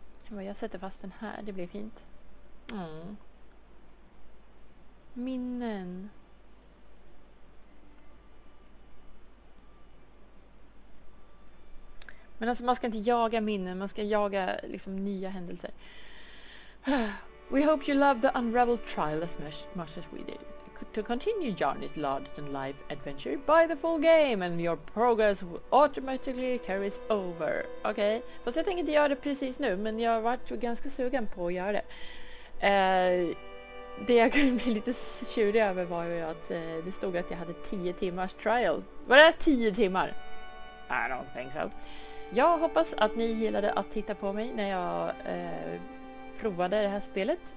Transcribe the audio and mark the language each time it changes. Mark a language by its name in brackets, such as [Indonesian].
[Swedish] Jag sätter fast den här, det blir fint. Mm. Minnen. Men alltså, man ska inte jaga minnen, man ska jaga liksom nya händelser. [English] We hope you love the Unravel trial as much as we did. To continue journey's large and live adventure, buy the full game and your progress automatically carries over. [Swedish] Okej, okay. Fast jag tänkte inte göra det precis nu, men jag har varit ganska sugen på att göra det. Det jag kunde bli lite tjurig över var ju att det stod att jag hade 10 timmars trial. Var det 10 timmar? [English] I don't think so. [Swedish] Jag hoppas att ni gillade att titta på mig när jag provade det här spelet.